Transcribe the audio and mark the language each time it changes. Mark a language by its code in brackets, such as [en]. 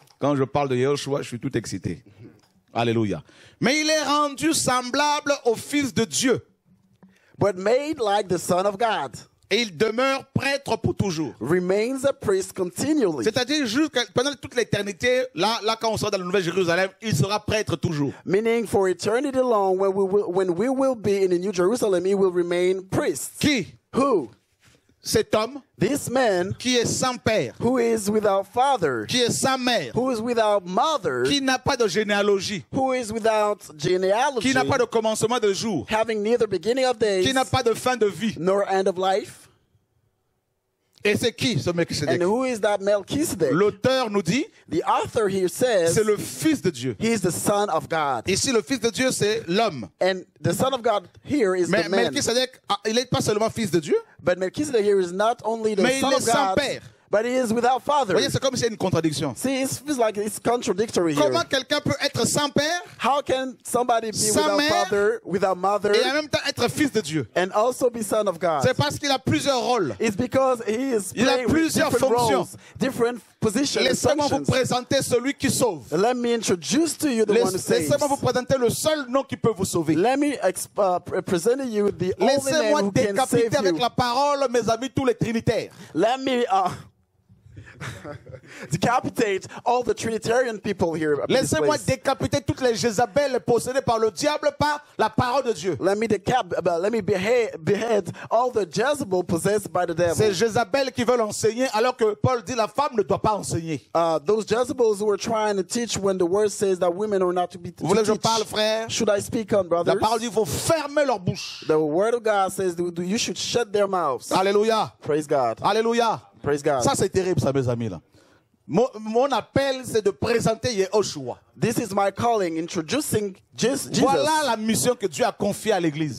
[fr] Quand je parle de Yeshua, je suis tout excité. Alléluia. Mais il est rendu semblable au Fils de Dieu. [en] But made like the Son of God. [fr] Et il demeure prêtre pour toujours. [en] Remains a priest continually. [fr] C'est-à-dire jusqu'à pendant toute l'éternité, là quand on sera dans la Nouvelle Jérusalem, il sera prêtre toujours. [en] Meaning for eternity long, when we will be in the New Jerusalem, he will remain priest. [fr] Qui? [en] Who? [fr] Cet homme. [en] This man. [fr] Qui est sans père. [en] Who is without father. [fr] Qui est sans mère. [en] Who is without mother. [fr] Qui n'a pas de généalogie. [en] Who is without genealogy. [fr] Qui n'a pas de commencement de jour. [en] Having neither beginning of days. [fr] Qui n'a pas de fin de vie. [en] Nor end of life. [fr] Et c'est qui ce Melchizedek? [en] And who is that Melchizedek? [fr] L'auteur nous dit. [en] The author here says. [fr] C'est le Fils de Dieu. [en] He is the Son of God. [fr] Ici le Fils de Dieu c'est l'homme. [en] And the Son of God here is [fr] Mais [en] the man. [fr] Melchizedek, il n'est pas seulement Fils de Dieu. [en] But Melchizedek here is not only the [fr] Mais [en] Son of God. [fr] Mais il est sans père. [en] But he is without father. [fr] Voyez, c'est comme si c'est une contradiction. [en] See, it feels like it's contradictory [fr] Comment [en] here. [fr] Comment quelqu'un peut être sans père? [en] How can somebody be without [fr] mère, [en] father, without mother? [fr] Et en même temps être fils de Dieu. [en] And also be son of God. [fr] C'est parce qu'il a plusieurs rôles. [en] It's because he is [fr] Il a plusieurs [en] different [fr] fonctions. [en] Roles, different positions. [fr] Laissez-moi vous présenter celui qui sauve. [en] Let me introduce to you the one who saves. [fr] Laissez-moi vous présenter le seul nom qui peut vous sauver. [en] Let me present to you the only [fr] Laissez-moi [en] man who can save you. [fr] Laissez-moi décapiter avec la parole mes amis tous les trinitaires. [en] Let me decapitate all the Trinitarian people here. [fr] Laissez-moi décapiter toutes les Jézabel possédées par le diable par la parole de Dieu. [en] Let me behead all the Jezebel possessed by the devil. [fr] C'est Jézabel qui veulent enseigner alors que Paul dit la femme ne doit pas enseigner. [en] Those Jezebels who are trying to teach when the word says that women are not to be taught. [fr] Vous voulez que je parle, frère? [en] Should I speak on, brothers? [fr] La parole dit faut fermer leur bouche. [en] The word of God says you should shut their mouths. [fr] Alléluia. [en] Praise God. [fr] Alléluia. [en] Praise God. [fr] Ça c'est terrible ça mes amis là. Mon appel c'est de présenter Yeshua. [en] This is my calling introducing Jesus. [fr] Voilà la mission que Dieu a confiée à l'église.